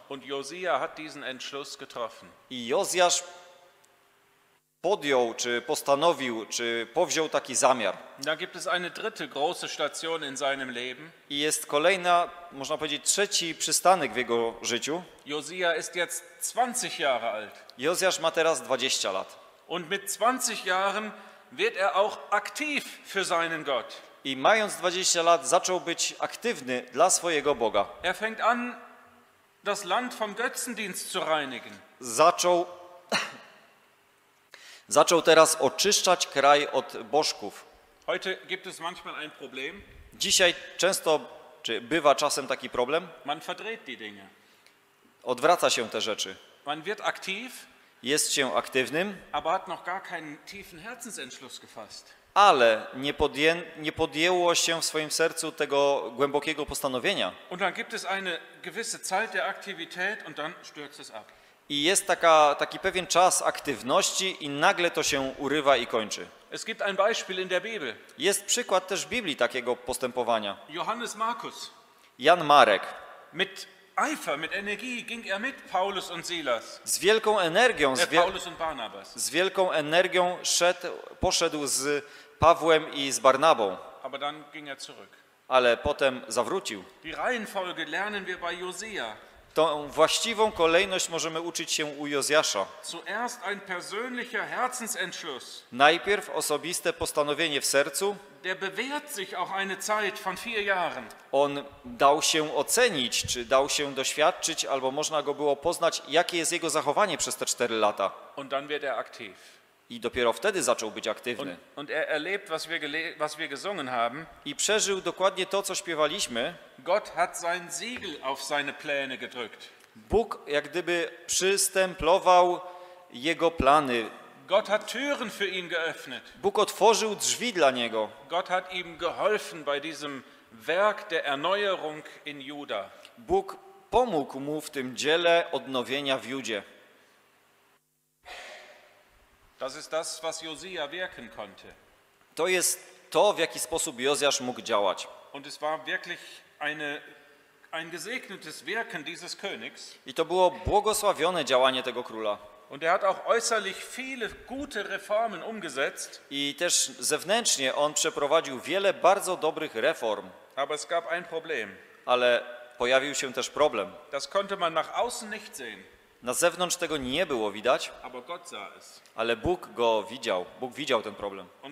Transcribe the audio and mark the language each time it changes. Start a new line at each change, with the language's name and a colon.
German: Und Josia hat diesen Entschluss getroffen.
Polish: I Jozjasz podjął, czy postanowił, czy powziął taki zamiar.
German: Da gibt es eine dritte große Station in seinem Leben.
Polish: I jest kolejna, można powiedzieć, trzeci przystanek w jego życiu.
German: Josia ist jetzt 20 Jahre alt.
Polish: Jozjasz ma teraz 20 lat.
German: Und mit 20 Jahren wird er auch aktiv für seinen Gott.
Polish: I mając 20 lat, zaczął być aktywny dla swojego Boga.
German: Er fängt an, das Land vom Götzendienst zu reinigen.
Polish: Zaczął teraz oczyszczać kraj od bożków.
German: Heute gibt es manchmal ein Problem.
Polish: Dzisiaj często, czy bywa czasem taki problem?
German: Man verdreht die Dinge.
Polish: Odwraca się te rzeczy.
German: Man wird aktiv.
Polish: Jest się aktywnym.
German: Aber hat noch gar keinen tiefen Herzensentschluss gefasst.
Polish: Ale nie podjęło się w swoim sercu tego głębokiego postanowienia.
German: Und dann gibt es eine gewisse Zeit der Aktivität und dann stürzt es ab.
Polish: I jest taki pewien czas aktywności i nagle to się urywa i kończy.
German: Es gibt ein Beispiel in der Bibel.
Polish: Jest przykład też w Biblii takiego postępowania.
German: Johannes Markus.
Polish: Jan Marek.
German: Mit Eifer, mit Energie ging er mit Paulus und Silas.
Polish: Z wielką energią,
German: Paulus und Barnabas.
Polish: Z wielką energią poszedł z Pawłem i z Barnabą.
German: Aber dann ging er zurück.
Polish: Ale potem zawrócił.
German: Die Reihenfolge lernen wir bei Josia.
Polish: Tą właściwą kolejność możemy uczyć się u Jozjasza.
German: Zuerst ein persönlicher Herzensentschluss.
Polish: Najpierw osobiste postanowienie w sercu.
German: Der bewährt sich auch eine Zeit von 4 Jahren.
Polish: On dał się ocenić, czy dał się doświadczyć, albo można go było poznać, jakie jest jego zachowanie przez te 4 lata.
German: Und dann wird er aktiv.
Polish: I dopiero wtedy zaczął być aktywny.
German: Und er erlebt, was wir gesungen haben.
Polish: I przeżył dokładnie to, co śpiewaliśmy.
German: Gott hat sein Siegel auf seine Pläne gedrückt.
Polish: Bóg jak gdyby przystemplował jego plany.
German: Gott hat Türen für ihn geöffnet.
Polish: Bóg otworzył drzwi dla niego.
German: Gott hat ihm geholfen bei diesem Werk der Erneuerung in Juda.
Polish: Bóg pomógł mu w tym dziele odnowienia w Judzie.
German: Das ist das, was Josia wirken konnte.
Polish: To jest to, w jaki sposób Jozjasz mógł działać.
German: Und es war wirklich ein gesegnetes Wirken dieses Königs.
Polish: I to było błogosławione działanie tego króla.
German: Und er hat auch äußerlich viele gute Reformen umgesetzt.
Polish: I też zewnętrznie on przeprowadził wiele bardzo dobrych reform.
German: Aber es gab ein Problem.
Polish: Ale pojawił się też problem.
German: Das konnte man nach außen nicht sehen.
Polish: Na zewnątrz tego nie było widać, ale Bóg go widział. Bóg widział ten problem.